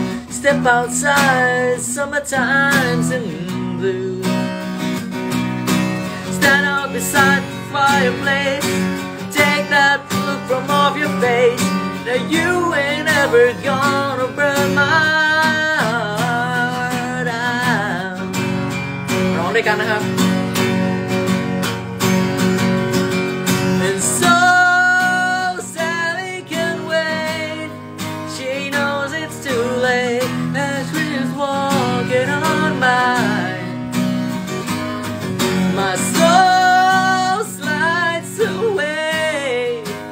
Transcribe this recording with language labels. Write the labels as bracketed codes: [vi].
[en] Step outside, summertime's in blue. Stand out beside the fireplace. Take that look from off your faceNow you ain't ever gonna burn my heart out. [th] ร้องด้วยกันนะครับ [en] And so Sally can wait. She knows it's too late as she's walking on by. My soul slides away.